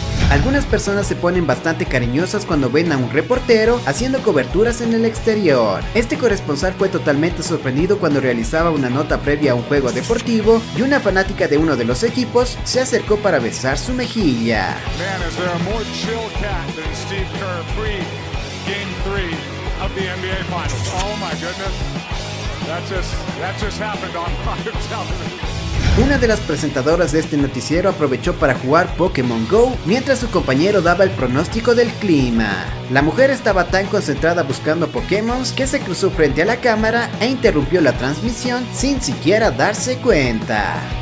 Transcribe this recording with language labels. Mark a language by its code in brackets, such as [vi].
[es] Algunas personas se ponen bastante cariñosas cuando ven a un reportero haciendo coberturas en el exterior. Este corresponsal fue totalmente sorprendido cuando realizaba una nota previa a un juego deportivo y una fanática de uno de los equipos se acercó para besar su mejilla. [en] Man, is there a more chill cat than Steve Kerr pre-game 3 of the NBA Finals? Oh my goodness, that just happened on live television. [es] Una de las presentadoras de este noticiero aprovechó para jugar Pokémon Go mientras su compañero daba el pronóstico del clima. La mujer estaba tan concentrada buscando Pokémon que se cruzó frente a la cámara e interrumpió la transmisión sin siquiera darse cuenta.